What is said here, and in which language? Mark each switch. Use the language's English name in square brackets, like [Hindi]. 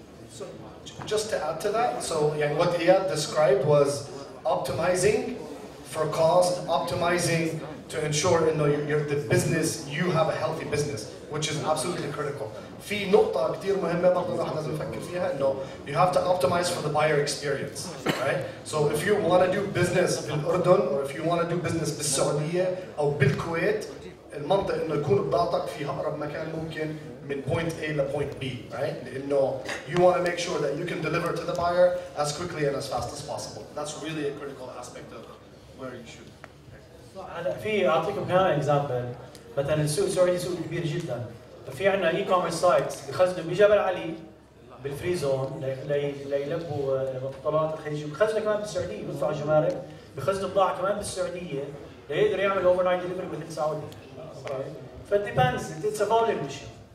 [English] So just to add to that, so [Arabic] يعني [English] what Iyad described was optimizing for cost, optimizing to ensure that you're the business, you have a healthy business, which is absolutely critical. [Arabic] في نقطة كتير مهمة برضو الواحد لازم يفكر فيها إنه [English] you have to optimize for the buyer experience, right? So if you want to do business in Jordan or if you want to do business in Saudi or in Kuwait, [Arabic] المنطقة إنه يكون بضاعتك فيها أقرب مكان ممكن من [English] point A to point B, right? [Arabic] إنه [English] you want to make sure that you can deliver to the buyer as quickly and as fast as possible. That's really a critical aspect of where you should. [Arabic] في أعطيكم كمان example مثلا السوق السعودي سوق كبير جدا ففي عنا e-commerce sites بيخزنوا بجبل علي بالفري زون ليلبوا بطلات الخليجية بيخزنوا كمان بالسعودية بيدفعوا جمارك بيخزنوا بضاعة كمان بالسعودية ليقدر يعمل [English] overnight delivery within Saudi [Arabic] فال [English] depends it's a volume issue.